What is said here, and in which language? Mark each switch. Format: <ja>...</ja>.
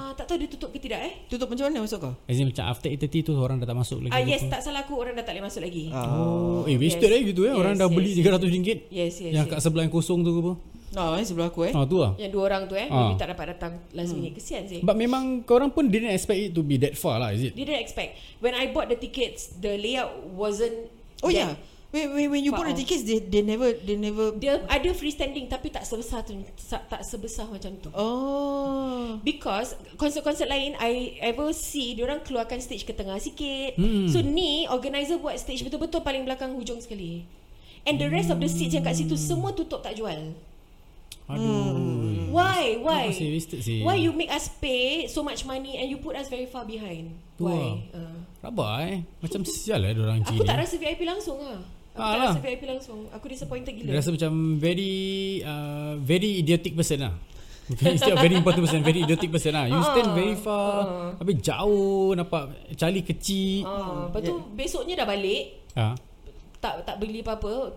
<ms>Tak tahu dia tutup ke tidak eh. Tutup macam mana masuk kau?</ms> <en>As in</en> <ms>macam</ms> <en>after 8:30</en> <ms>tu orang dah tak masuk lagi.</ms> <en>Yes,</en> <ms>tak salah aku, orang dah tak boleh masuk lagi. Eh,</ms> <en>wasted yes.</en> <ms>Gitu eh. Orang dah beli RM300.</ms> <en>Yes.</en> <ms>Yang kat sebelah yang kosong tu ke apa? Sebelah aku Tu lah. Yang dua orang tu</ms> <en>Maybe</en> <ms>tak dapat datang</ms> <en>last minute.</en> <ms>Kesian sih.</ms> <en>But</en> <ms>memang korang pun</ms> <en>didn't expect it to be that far</en> <ms>lah,</ms> <en>is it? Didn't expect. When I bought the tickets, the layout wasn't. Oh yeah. When you bought the tickets, they never.</en> <ms>Dia ada freestanding tapi tak sebesar tu, tak sebesar macam tu. Oh.</ms> <en>Because</en> <ms>konsert-konsert lain</ms> <en>I ever see,</en> <ms>dia orang keluarkan stage ke tengah sikit.</ms> <en>So</en> <ms>ni organizer buat stage betul-betul paling belakang hujung sekali.</ms> <en>And the rest of the seats</en> <ms>yang kat situ semua tutup tak jual. Aduh.</ms> <en>Why you make us pay so much money and you put us very far behind?</en> <ms>Tua.</ms> <en>Why?</en> <ms>Rabai. Macam sial lah diorang cini. Aku tak rasa VIP langsung lah. Rasa VIP langsung. Aku</ms> <en>disappointed</en> <ms>gila. Dia rasa macam</ms> <en>very very idiotic person</en> <ms>lah.</ms> <en>Instead of very important person, very idiotic person</en> <ms>lah.</ms> <en>You stand very far.</en> <ms>Habis jauh, nampak Charlie kecil. Lepas tu besoknya dah balik. Tak beli apa-apa.</ms>